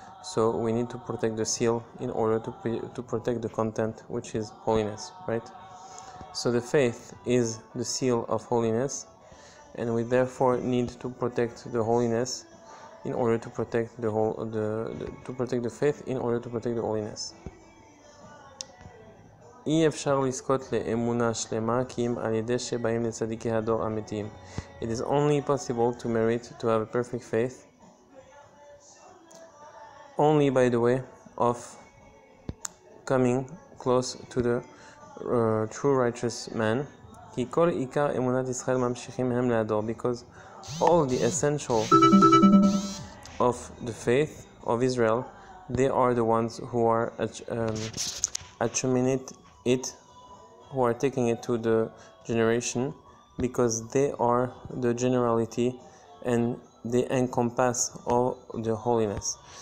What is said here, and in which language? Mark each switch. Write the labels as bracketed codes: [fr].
[en] So we need to protect the seal in order to protect the content, which is holiness, right? So the faith is the seal of holiness, and we therefore need to protect the holiness in order to protect the whole to protect the faith in order to protect the holiness. [he] אי אפשר לזכות לאמונה שלמה כי אם על ידי שבאים לצדיקי הדור אמיתיים. [en] It is only possible to merit to have a perfect faith only by the way of coming close to the true righteous man. [he] כי כל עיקר אמונת ישראל ממשיכים הם להדור, [en] because all the essential of the faith of Israel, they are the ones who are attributing it, who are taking it to the generation, because they are the generality and they encompass all the holiness.